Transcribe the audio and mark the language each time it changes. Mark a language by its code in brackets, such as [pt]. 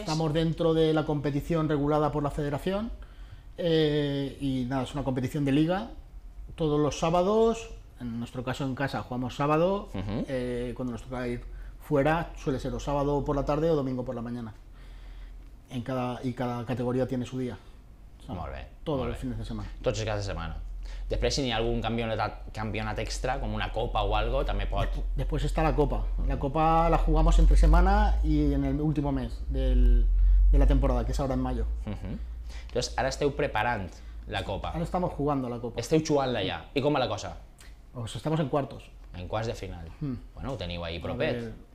[es] Estamos dentro de la competición regulada por la federación, y nada, es una competición de liga. Todos los sábados, en nuestro caso en casa jugamos sábado, cuando nos toca ir fuera suele ser o sábado por la tarde o domingo por la mañana. Y cada categoría tiene su día. [ca] O sea, molt bé, [es] todos molt los bé. Fines de semana. [ca] Tots els caps de setmana. Després, si hi ha algun campionat extra, com una copa o algo, també pot... [es] Después está la copa. La copa la jugamos entre semana y en el último mes de la temporada, que es ahora en mayo. Entonces, ahora [ca] esteu preparant la copa. [es] Ahora estamos jugando la copa. [ca] Esteu jugant-la ja. I com va la cosa? [es] Pues estamos en quartos. [ca] En quarts de final. Bueno, ho teniu ahí propet.